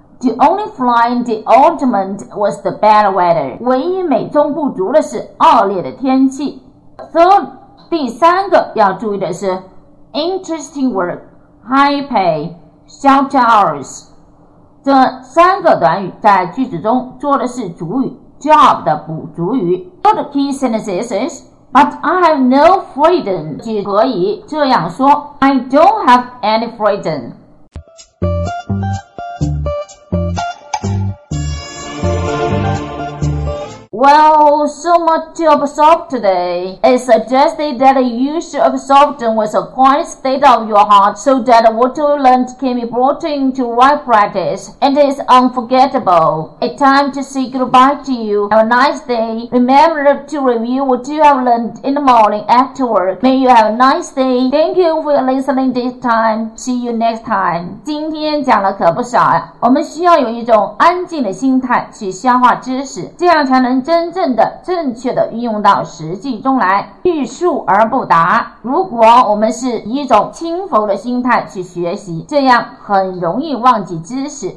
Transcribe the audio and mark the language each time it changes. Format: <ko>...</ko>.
<en>The only fly in the ointment was the bad weather.</en> <zh>唯一美中不足的是恶劣的天气。 Third, 第三个要注意的是</zh> <en>interesting work, high pay, short hours.</en> <zh>这三个短语在句子中做的是主语 job 的补足语。</zh> <en>Third key sentences is, but I have no freedom.</en> <zh>即可以这样说</zh> <en>I don't have any freedom. Well, so much to absorb today. It's suggested that you should absorb them with a quiet state of your heart so that what you learned can be brought into right practice and is unforgettable. It's time to say goodbye to you. Have a nice day. Remember to review what you have learned in the morning after work. May you have a nice day. Thank you for listening this time. See you next time.</en> <zh>今天讲了可不少呀、我们需要有一种安静的心态去消化知识，这样才能真正的正确的运用到实际中来，欲速而不达。如果我们是以一种轻浮的心态去学习，这样很容易忘记知识。</zh>